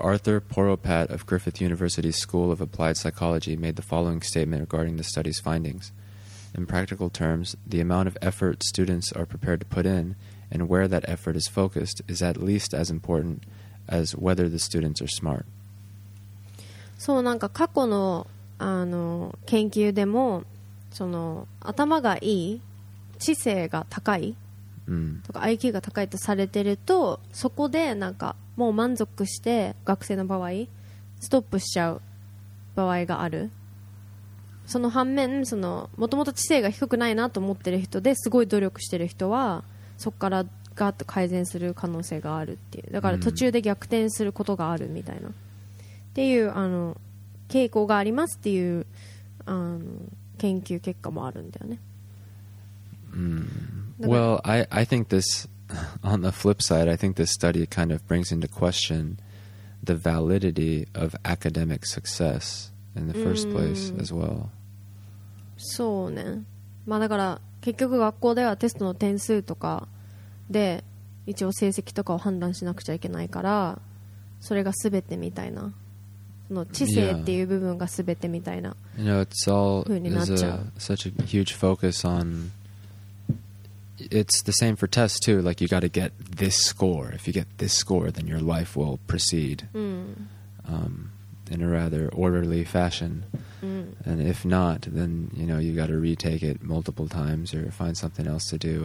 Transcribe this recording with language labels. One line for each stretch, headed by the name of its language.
English: Arthur Poropat of Griffith University's School of Applied Psychology made the following statement regarding the study's findings. In practical terms, the amount of effort students are prepared to put in and where that effort is focused is at least as important as whether the students are smart.
Japanese: そう、なんか過去の、研究でも、その頭がいい、知性が高いとか IQ が高いとされてると、そこでなんかもう満足して学生の場合ストップしちゃう場合がある。その反面、そのもともと知性が低くないなと思ってる人ですごい努力してる人は、そこからガッと改善する可能性があるっていう、だから途中で逆転することがあるみたいなっていう、あの傾向がありますっていう、あの研究結果もあるんだよね。
English: Well, I think this, on the flip side, I think this study kind of brings into question the validity of academic success in the first place as well.
Japanese: そうね。まあだから結局学校ではテストの点数とかで一応成績とかを判断しなくちゃいけないから、それが全てみたいな、その知性っていう部分が全てみたいな、
English: yeah. You know, it's all is a, such a huge focus onIt's the same for tests too. Like, you got to get this score. If you get this score, then your life will proceed in a rather orderly fashion. And if not, then, you know, you got to retake it multiple times or find something else to do.